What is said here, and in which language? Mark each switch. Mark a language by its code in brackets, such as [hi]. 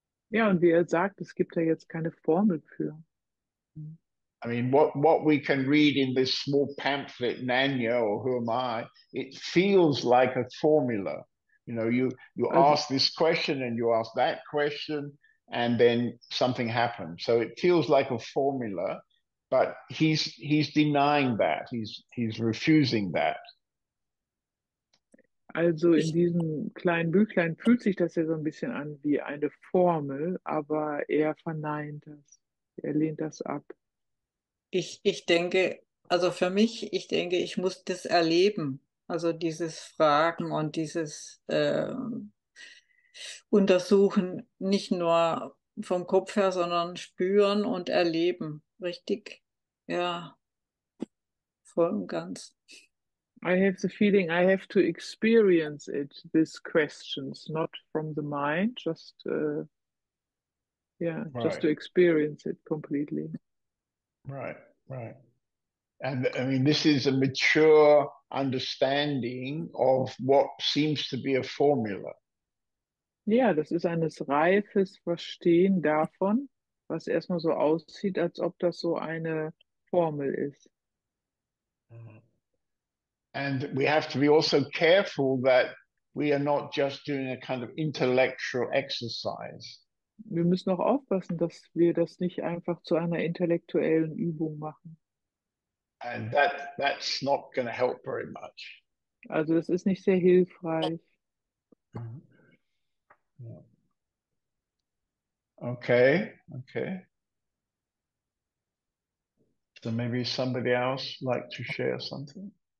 [de] Ja, und wie er sagt, es gibt ja jetzt keine Formel für. [en] I mean, what we can read in this small pamphlet, Nanya or Who Am I, it feels like a formula. You [de] Also, [en] ask this question and you ask that question, and then something happens. So it feels like a formula, but he's denying that. He's refusing that. [de] in diesem kleinen Büchlein fühlt sich das ja so ein bisschen an wie eine Formel, aber er verneint das. Er lehnt das ab. Ich denke, also für mich, ich denke, ich muss das erleben. Also dieses Fragen und dieses Untersuchen nicht nur vom Kopf her, sondern spüren und erleben. Richtig? Ja, voll und ganz. [en] I have the feeling I have to experience it, these questions, not from the mind, just just to Right. experience it completely. Right. And I mean, this is a mature understanding of what seems to be a formula. [de] Ja, das ist ein reifes Verstehen davon, was erstmal so aussieht, als ob das so eine Formel ist. [en] And we have to be also careful that we are not just doing a kind of intellectual exercise. [de] Wir müssen auch aufpassen, dass wir das nicht einfach zu einer intellektuellen Übung machen. [en] And that's not going to help very much. [de] Also das ist nicht sehr hilfreich. [en] Okay. So maybe somebody else like to share something?